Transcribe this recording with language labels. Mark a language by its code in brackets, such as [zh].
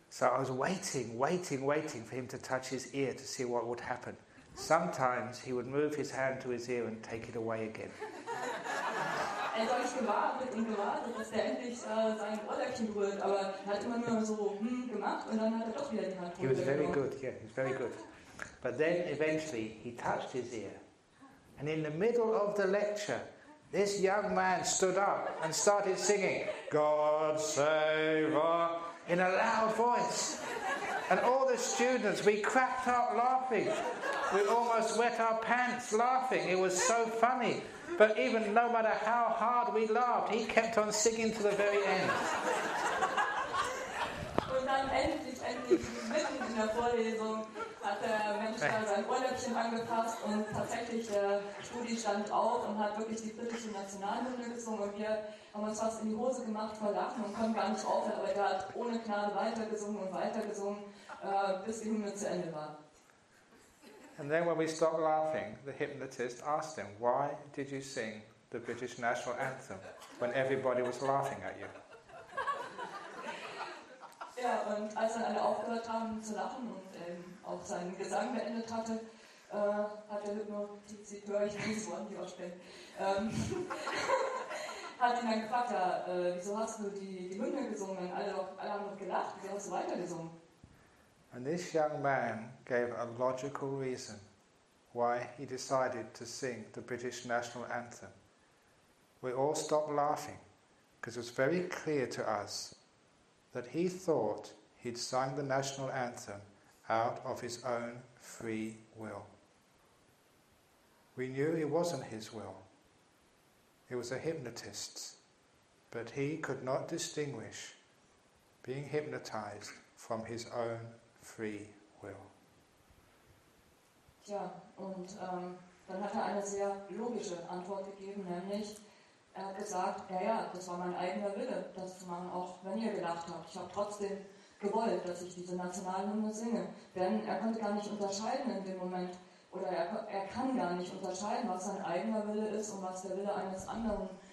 [en] So I was waiting for him to touch his ear to see what would happen. Sometimes he would move his hand to his ear and take it away again. [de] Also ich gewartet und gewartet, dass er endlich sein Ohrläppchen berührt, aber er hat immer nur so gemacht und dann hat er doch wieder die Hand. [en] He was very good, yeah, he was very good. But then eventually he touched his ear. And in the middle of the lecture, this young man stood up and started singing, God save us, in a loud voice. And all the students, we cracked up laughing. We almost wet our pants laughing. It was so funny. But even no matter how hard we laughed, he kept on singing to the very end. [de] Und dann endlich, mitten in der Vorlesung, hat der Mensch da sein Ohrläppchen angepasst und tatsächlich der Studi stand auf und hat wirklich die britische Nationalhymne gesungen und wir haben uns fast in die Hose gemacht vor Lachen und konnten gar nicht aufhören, aber er hat ohne Gnade weitergesungen und weitergesungen, bis die Hymne zu Ende war. [en] And then when we stopped laughing, the hypnotist asked him, why did you sing the British National Anthem when everybody was laughing at you? [de] Ja, und als dann alle aufgehört haben zu lachen und auch seinen Gesang beendet hatte, hat der Hypnotiseur, ich weiß nicht, die auch spät, hat ihn dann gefragt, wieso hast du die Hymne gesungen, wenn alle haben gelacht, wieso hast du weitergesungen? [en] And this young man gave a logical reason why he decided to sing the British National Anthem. We all stopped laughing because it was very clear to us that he thought he'd sung the National Anthem out of his own free will. We knew it wasn't his will. It was a hypnotist's. But he could not distinguish being hypnotized from his own free will. [de] Tja, und dann hat er eine sehr logische Antwort gegeben, nämlich er hat gesagt, ja, das war mein eigener Wille, das zu machen, auch wenn ihr gelacht habt. Ich habe trotzdem gewollt, dass ich diese Nationalhymne singe. Denn er konnte gar nicht unterscheiden in dem Moment, oder er kann gar nicht unterscheiden, was sein eigener Wille ist und was der Wille eines anderen